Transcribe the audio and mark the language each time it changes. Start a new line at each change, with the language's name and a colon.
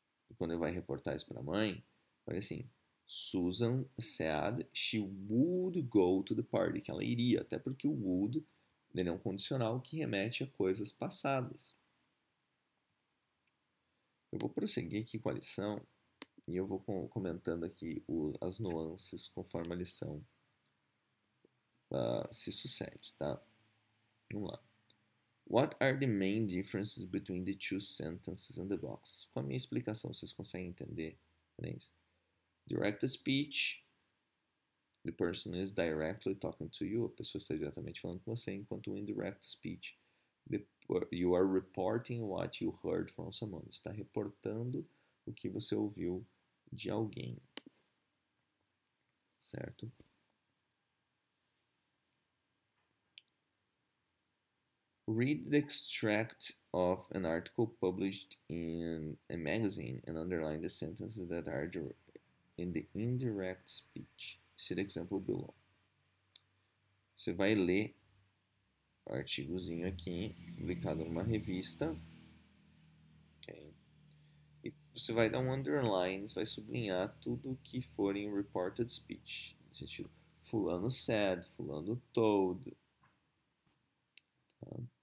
Portuguese: E quando ele vai reportar isso para a mãe, vai assim,
English: Susan said she would go to the party,
Portuguese: que ela iria, até porque o would, ele é um condicional que remete a coisas passadas. Eu vou prosseguir aqui com a lição e eu vou comentando aqui as nuances conforme a lição se sucede, tá? Vamos lá.
English: What are the main differences between the two sentences in the box?
Portuguese: Com a minha explicação, vocês conseguem entender? Direct speech.
English: The person is directly talking to you.
Portuguese: A pessoa está diretamente falando com você. Enquanto o indirect speech.
English: You are reporting what you heard from someone.
Portuguese: Está reportando o que você ouviu de alguém. Certo?
English: Read the extract of an article published in a magazine and underline the sentences that are in the indirect speech. See the example below.
Portuguese: Você vai ler o artigozinho aqui, publicado numa revista. E você vai dar um underline, você vai sublinhar tudo que for em reported speech. No sentido, fulano said, fulano told. Tá?